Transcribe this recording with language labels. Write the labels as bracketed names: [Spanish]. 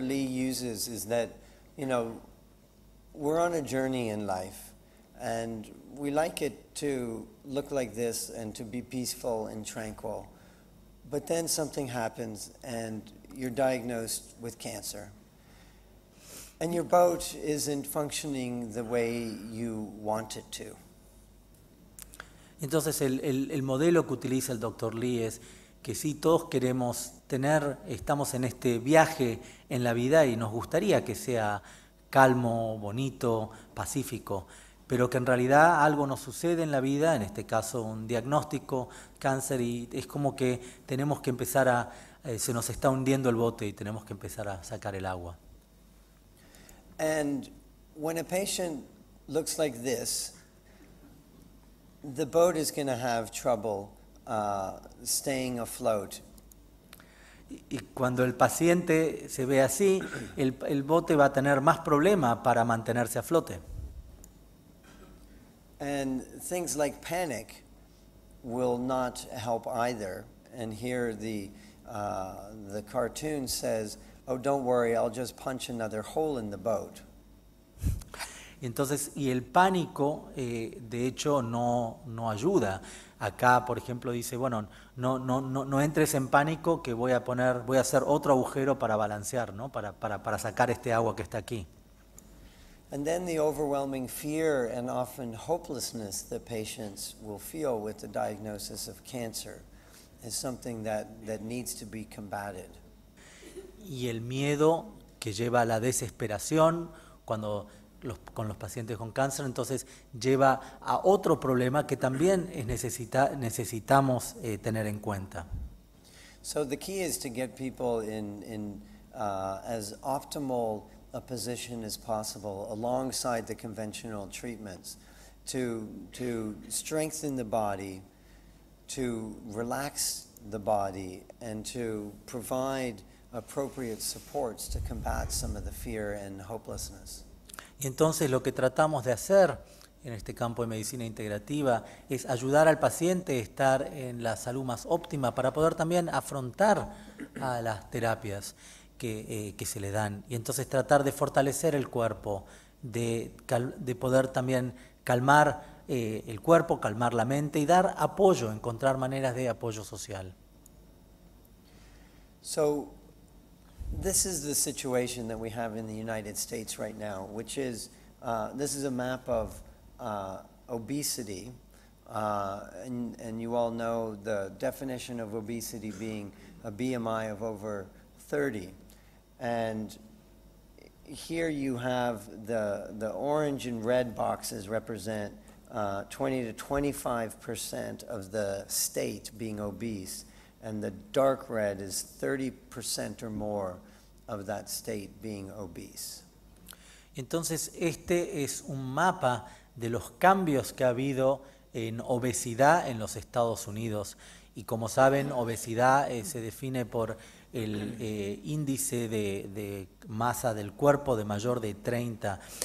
[English] Lee uses is that, you know, we're on a journey in life, and we like it to look like this and to be peaceful and tranquil. But then something happens, and you're diagnosed with cancer. And your boat isn't functioning the way you want it to. [Spanish] Entonces, el modelo que utiliza el Dr. Lee es que sí, todos queremos tener, estamos en este viaje en la vida y nos gustaría que sea calmo, bonito, pacífico, pero que en realidad algo nos sucede en la vida, en este caso un diagnóstico, cáncer, y es como que tenemos que empezar a, se nos está hundiendo el bote y tenemos que empezar a sacar el agua. [English] And when a patient looks like this, the boat is going to have trouble staying afloat. [Spanish] Y cuando el paciente se ve así, el bote va a tener más problema para mantenerse a flote. [English] And things like panic will not help either. And here the cartoon says, oh, don't worry, I'll just punch another hole in the boat. [Spanish] Entonces, y el pánico, de hecho, no ayuda. Acá, por ejemplo, dice, bueno, no entres en pánico, que voy a hacer otro agujero para balancear, ¿no? Para sacar este agua que está aquí. [English] And then the overwhelming fear and often hopelessness that patients will feel with the diagnosis of cancer is something that needs to be combated. [Spanish] Y el miedo que lleva a la desesperación cuando con los pacientes con cáncer, entonces lleva a otro problema que también necesitamos tener en cuenta. [English] So the key is to get people in as optimal a position as possible alongside the conventional treatments to strengthen the body, to relax the body, and to provide appropriate supports to combat some of the fear and hopelessness. [Spanish] Y entonces lo que tratamos de hacer en este campo de medicina integrativa es ayudar al paciente a estar en la salud más óptima para poder también afrontar a las terapias que se le dan. Y entonces tratar de fortalecer el cuerpo, de poder también calmar el cuerpo, calmar la mente y dar apoyo, encontrar maneras de apoyo social. [English] So, this is the situation that we have in the United States right now, which is, this is a map of obesity, and you all know the definition of obesity being a BMI of over 30. And here you have the orange and red boxes represent 20 to 25% of the state being obese, and the dark red is 30% or more of that state being obese. [Spanish] Entonces, este es un mapa de los cambios que ha habido en obesidad en los Estados Unidos. Y como saben, obesidad se define por el índice de masa del cuerpo de mayor de 30.